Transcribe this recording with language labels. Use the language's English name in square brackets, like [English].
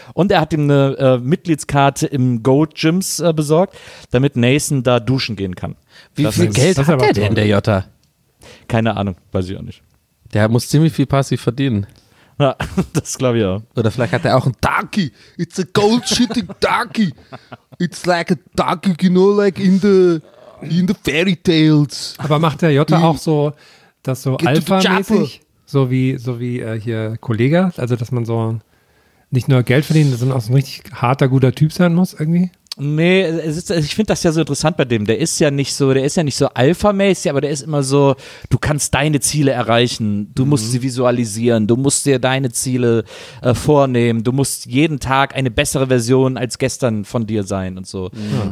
[German] Und er hat ihm eine Mitgliedskarte im Gold Gyms besorgt, damit Nathan da duschen gehen kann. Wie viel Geld hat der Jotta? Keine Ahnung, weiß ich auch nicht. Der muss ziemlich viel passiv verdienen. Ja, das glaube ich auch. Oder vielleicht hat er auch einen Donkey. [English] It's a gold shitting donkey. It's like a donkey, you know, like in the fairy tales. [German] Aber macht der Jotta auch so, dass so alpha-mäßig, so wie hier Kollege, also dass man so nicht nur Geld verdienen, sondern auch so ein richtig harter, guter Typ sein muss irgendwie? Nee, ich finde das ja so interessant bei dem. Der ist ja nicht so alpha-mäßig, aber der ist immer so, du kannst deine Ziele erreichen, du musst sie visualisieren, du musst dir deine Ziele vornehmen, du musst jeden Tag eine bessere Version als gestern von dir sein und so. Mhm.